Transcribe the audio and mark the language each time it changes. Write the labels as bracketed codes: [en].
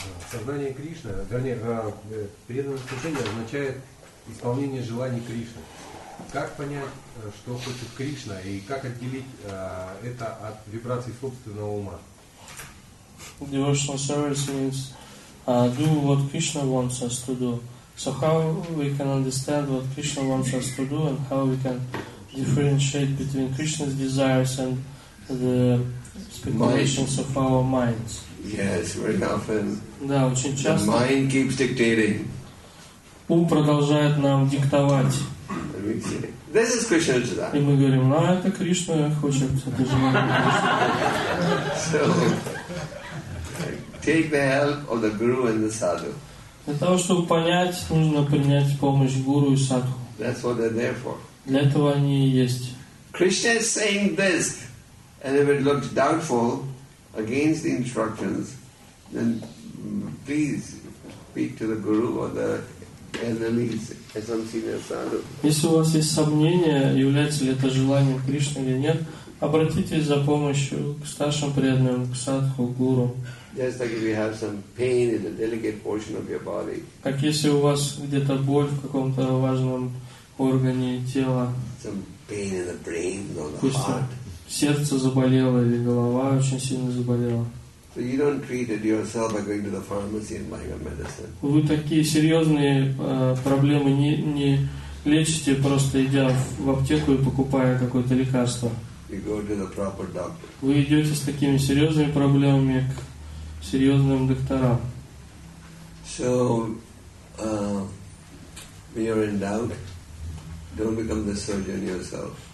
[ru] Сознание Кришны, вернее, преданное служение означает исполнение желаний Кришны. Как понять, что хочет Кришна, и как отделить это от вибраций собственного ума? [en] Devotional service means do what Krishna wants us to do. So how we can understand what Krishna wants us to do and how we can differentiate between Krishna's desires and the speculations of our minds? Yes, very often. [ru] Да, очень часто. [en] The mind keeps dictating. [ru] Ум продолжает нам диктовать. [en] This is Krishna Chita. [ru] И мы говорим, ну это Кришна хочет, это желание Кришны. [en] So, take the help of the guru and the sadhu. [ru] Для того, чтобы понять, нужно принять помощь гуру и садху. [en] That's what they're there for. [ru] Для этого они и есть. [en] Krishna is saying this, and if it looks doubtful against the instructions, then please speak to the guru or the enemies as some senior sadhu. [ru] Если у вас есть сомнения, является ли это желание Кришны или нет, обратитесь за помощью к старшим преданным, к садху, гуру. [en] Just like if you have some pain in the delicate portion of your body. [ru] Как если у вас где-то боль в каком-то важном органе тела. [en] Some pain in the brain or the heart. [ru] Сердце заболело или голова очень сильно заболела. [en] So you don't treat it yourself by going to the pharmacy and buying a medicine. [ru] Вы такие серьезные проблемы не лечите просто идя в аптеку и покупая какое-то лекарство. [en] You go to the proper doctor. [ru] Вы идете с такими серьезными проблемами к серьезным докторам. [en] So, when you're in doubt, don't become the surgeon yourself.